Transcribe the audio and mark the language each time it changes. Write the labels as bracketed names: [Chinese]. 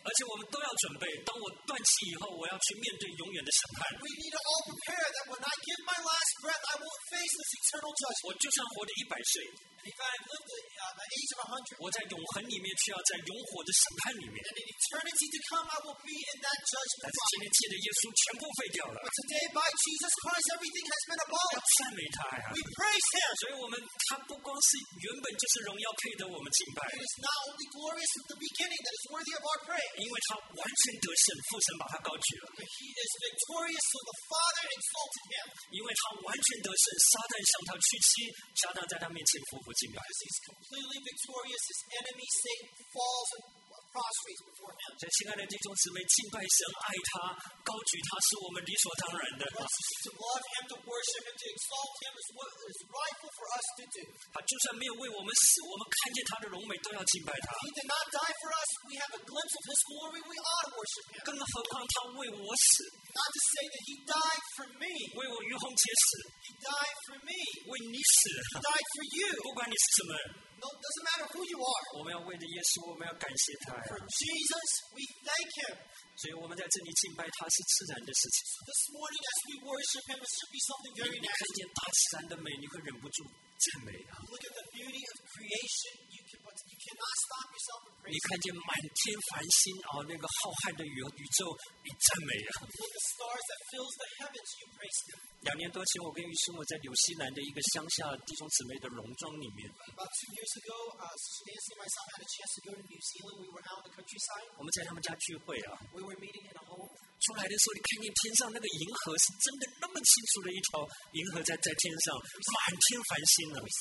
[Chinese] 而且我们都要准备，当我断气以后，我要去面对永远的审判。 [English] We need to all prepare that when I give my last breath, I will face this eternal judgment. [Chinese] 我就算活到100岁。 [English] If I have lived the age of 100, [Chinese] 我在永恒里面，却要在永火的审判里面。 [English] And in eternity to come, I will be in that judgment. [Chinese] 但是今天借着耶稣全部废掉了。 [English] But today, by Jesus Christ, everything has been abolished. [Chinese] 要赞美他呀。 [English] We praise Him. [Chinese] 所以我们他不光是原本就是荣耀配得我们敬拜。 [English] It is not only glorious at the beginning that is worthy of our praise. [Chinese] 因为他完全得胜，父神把他高举了。 [English] He is victorious, so the Father exalted Him. [Chinese] 因为他完全得胜，撒旦向他屈膝，撒旦在他面前匍匐。 [English] Because he's completely victorious, his enemy Satan falls and prostrates before him. [Chinese] 所以，亲爱的弟兄姊妹，敬拜神、爱他、高举他，是我们理所当然的。 [English] To love him, to worship him, to exalt him is what is rightful for us to do. [Chinese] 他就算没有为我们死，我们看见他的荣美，都要敬拜他。 [English] He did not die for us. We have a glimpse of his glory. We ought to worship him. [Chinese] 更何况他为我死。 [English] Not to say that he died for me. [Chinese] 为我与红结死。 [English] He died for me. [Chinese] 为你死。 [English] He died for you. [Chinese] 不管你是什么。 [English] No, doesn't matter who you are. [Chinese] 我们要为着耶稣，我们要感谢他。 [English] For Jesus, we thank him. [Chinese] 所以我们在这里敬拜他是自然的事情。 [English] This morning, as we worship him, it should be something very natural. [Chinese] 你看见大自然的美，你会忍不住赞美啊。 [English] Look at the beauty of creation. You cannot stop yourself from praising. [Chinese] 你看见满天繁星啊，那个浩瀚的宇宙，你赞美啊。 [English] Look at the stars that fills the heavens. You praise them. [Chinese] 两年多前，我跟玉生活在纽西兰的一个乡下弟兄姊妹的农庄里面。 [English] About 2 years ago, Sister Nancy and myself had a chance to go to New Zealand. We were out in the countryside. [Chinese] 我们在他们家聚会啊。 [English] We were meeting in a home. [Chinese] 出来的时候，你看见天上那个银河是真的那么清楚的一条银河在天上，满天繁星呢。